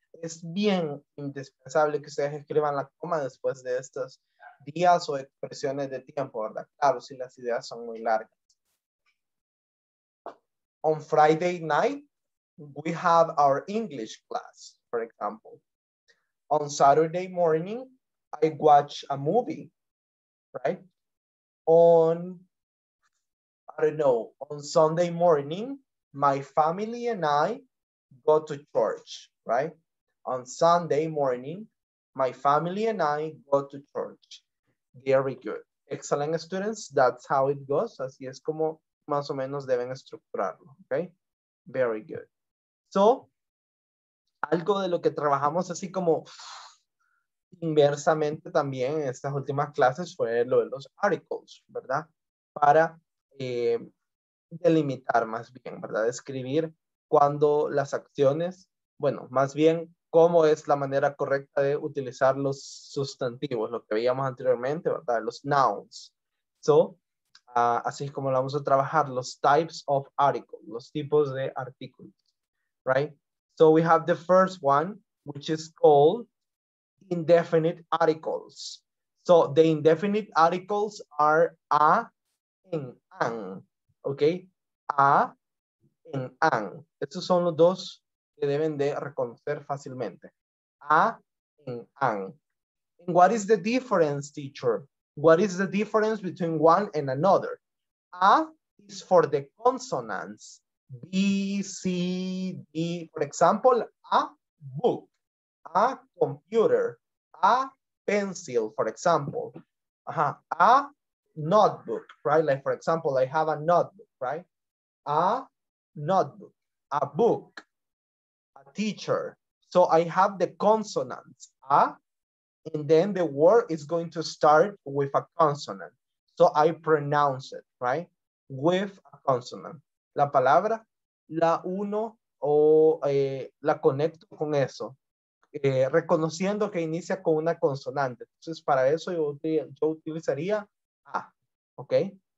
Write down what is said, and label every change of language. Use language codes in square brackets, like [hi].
[es] Es bien indispensable que ustedes escriban la coma después de estos días o expresiones de tiempo, ¿verdad? Claro, si las ideas son muy largas. [en] On Friday night, we have our English class, for example. On Saturday morning, I watch a movie, right? On Sunday morning, my family and I go to church, right? On Sunday morning, my family and I go to church. Very good. Excellent, students. That's how it goes. [es] Así es como más o menos deben estructurarlo, okay? [en] Very good. [es] So, algo de lo que trabajamos así como inversamente también en estas últimas clases fue lo de los articles, ¿verdad? Para delimitar más bien, ¿verdad? Describir cuando las acciones, bueno, más bien cómo es la manera correcta de utilizar los sustantivos, lo que veíamos anteriormente, ¿verdad? Los nouns. So, así es como vamos a trabajar, los types of articles, los tipos de artículos, right? [en] So we have the first one, which is called indefinite articles. So the indefinite articles are a, en, an, okay? A, en, an. [es] Estos son los dos que deben de reconocer fácilmente. [en] A, en, an. And what is the difference, teacher? What is the difference between one and another? A is for the consonants. B, C, D. For example, a book, a computer, a pencil, for example. A notebook, right? Like, for example, I have a notebook, right? A notebook, a book, a teacher. So I have the consonants, a, and then the word is going to start with a consonant. So I pronounce it, right? With a consonant. [es] La palabra, la uno, o la conecto con eso. Reconociendo que inicia con una consonante. Entonces, para eso yo utilizaría a, ¿ok?